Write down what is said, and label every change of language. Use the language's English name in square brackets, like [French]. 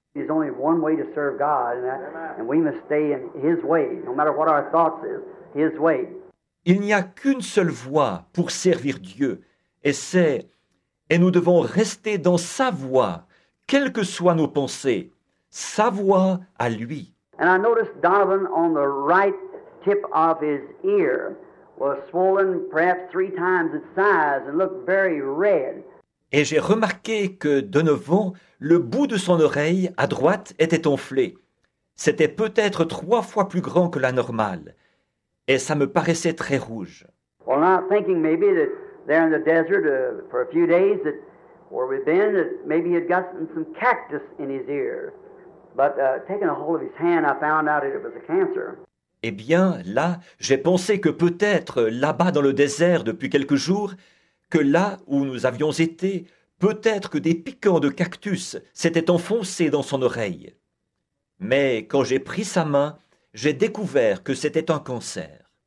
[English] There's only one way to serve God, and we must stay in His way, no matter what our thoughts is, His way. [French] Il n'y a qu'une seule voie pour servir Dieu, et nous devons rester dans sa voie, quelles que soient nos pensées, sa voie à lui. [English] And I noticed Donovan on the right tip of his ear was swollen perhaps three times its size and looked very red. [French] Et j'ai remarqué que Donovan, le bout de son oreille à droite était enflé. C'était peut-être trois fois plus grand que la normale. Et ça me paraissait très rouge. [English] Well, not thinking maybe that there in the desert for a few days that where we've been, that maybe he had gotten some cactus in his ear. But taking a hold of his hand, I found out that it was a cancer. [French] Eh bien, là, j'ai pensé que peut-être, là-bas dans le désert depuis quelques jours, que là où nous avions été, peut-être que des piquants de cactus s'étaient enfoncés dans son oreille. Mais quand j'ai pris sa main, j'ai découvert que c'était un cancer.